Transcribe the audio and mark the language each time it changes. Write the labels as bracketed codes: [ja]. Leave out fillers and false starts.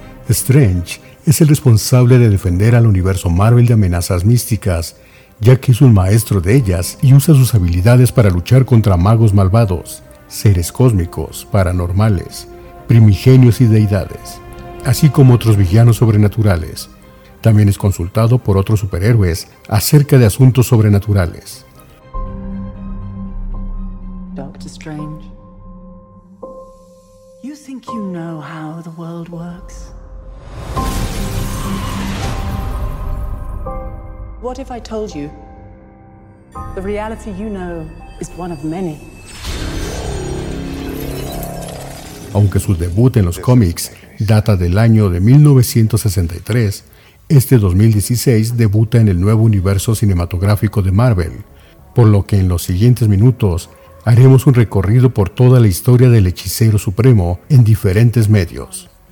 [es] Strange es el responsable de defender al universo Marvel de amenazas místicas, ya que es un maestro de ellas y usa sus habilidades para luchar contra magos malvados, seres cósmicos, paranormales, primigenios y deidades, así como otros villanos sobrenaturales. También es consultado por otros superhéroes acerca de asuntos sobrenaturales. [en] Doctor Strange, you think you know how the world works? What if I told you the reality you know is one of many? [es] Aunque su debut en los cómics data del año de 1963, este 2016 debuta en el nuevo universo cinematográfico de Marvel, por lo que en los siguientes minutos haremos un recorrido por toda la historia del hechicero supremo en diferentes medios.